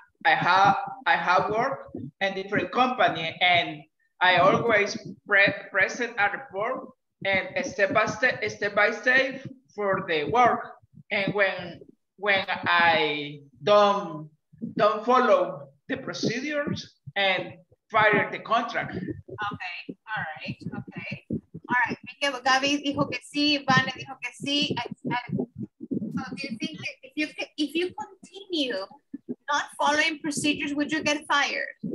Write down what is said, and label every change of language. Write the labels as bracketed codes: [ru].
[en] I have worked in different company, and I always present a report and step by step for the work. And when I don't follow the procedures, and fire the contract. Okay. All right. Okay. [es] All right, Miguel, Gaby dijo que sí, Vane dijo que sí. [en] So do you think that if you continue not following procedures, would you get fired?